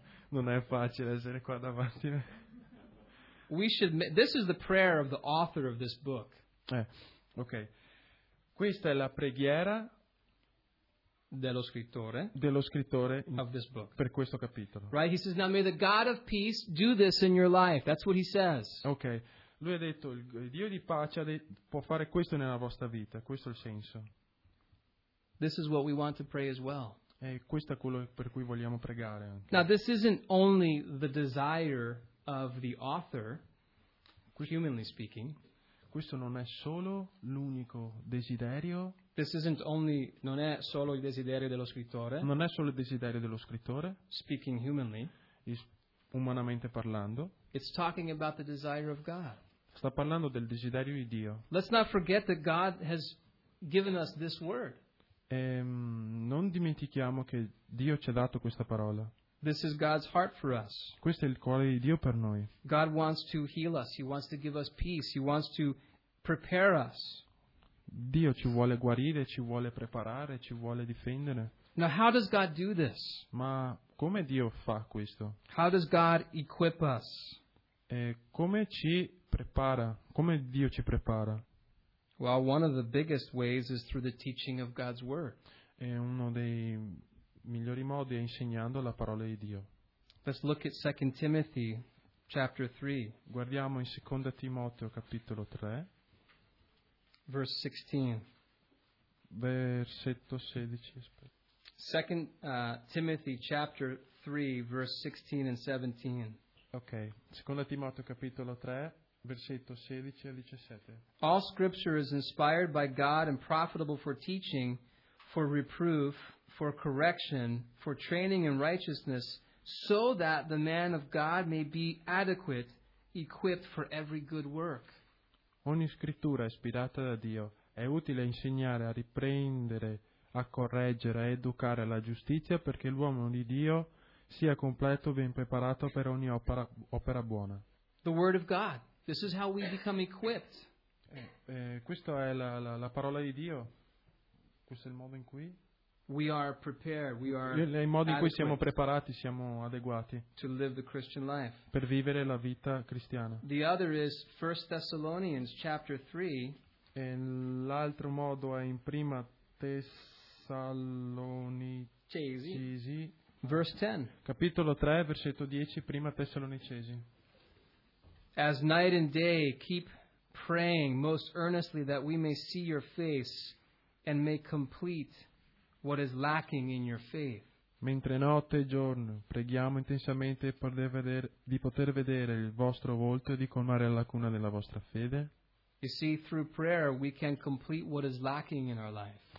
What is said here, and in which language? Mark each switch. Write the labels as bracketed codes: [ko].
[it] Non è facile essere qua davanti. [en] This is the prayer of the author of this book. [it] Okay. Questa è la preghiera dello scrittore [en] of this book. [it] Per questo capitolo. [en] Right? He says, "Now may the God of peace do this in your life." That's what he says. Okay. [it] Lui ha detto, il Dio di pace può fare questo nella vostra vita. Questo è il senso. [en] This is what we want to pray as well. [it] E questo è quello per cui vogliamo pregare anche. [en] Now this isn't only the desire of the author, humanly speaking. [it] Questo non è solo l'unico desiderio. [en] This isn't only, [it] non è solo il desiderio dello scrittore. Non è solo il desiderio dello scrittore. [en] Speaking humanly. [it] Umanamente parlando. [en] It's talking about the desire of God. [it] Sta parlando del desiderio di Dio. [en] Let's not forget that God has given us this word. [it] Non dimentichiamo che Dio ci ha dato questa parola. [en] This is God's heart for us. [it] Questo è il cuore di Dio per noi. [en] God wants to heal us. He wants to give us peace. He wants to prepare us. [it] Dio ci vuole guarire, ci vuole preparare, ci vuole difendere. [en] Now, how does God do this? [it] Ma come Dio fa questo? [en] How does God equip us? [it] Come ci prepara? Come Dio ci prepara? [en] Well, one of the biggest ways is through the teaching of God's word. [it] È uno dei migliori modi è insegnando la parola di Dio. [en] Let's look at 2 Timothy chapter 3. [it] Guardiamo in 2 Timoteo capitolo 3. [en] Verse 16. [it] Versetto 16. Aspetta. [en] 2 Timothy chapter 3 verse 16 and 17. [it] Okay. 2 Timoteo capitolo 3. Versetto 16 e 17. [en] All scripture is inspired by God and profitable for teaching, for reproof, for correction, for training in righteousness, so that the man of God may be adequate, equipped for every good work. [it] Ogni scrittura ispirata da Dio è utile a insegnare, a riprendere, a correggere, a educare alla giustizia, perché l'uomo di Dio sia completo, ben preparato per ogni opera buona. [en] The word of God. This is how we become equipped. [it] Questo è la parola di Dio. Questo è il modo in cui [en] we are prepared. We are [it] il modo in cui siamo preparati, siamo adeguati [en] to live the Christian life. [it] Per vivere la vita cristiana. [en] The other is 1 Thessalonians chapter 3. [it] E l'altro modo è in Prima Tessalonicesi [en] verse 10. [it] Capitolo 3, versetto 10, Prima Tessalonicesi. [en] As night and day, keep praying most earnestly that we may see your face and may complete what is lacking in your faith. [it] Mentre notte e giorno preghiamo intensamente di poter vedere il vostro volto e di colmare la lacuna della vostra fede. [en] You see, through prayer we can complete what is lacking in our life.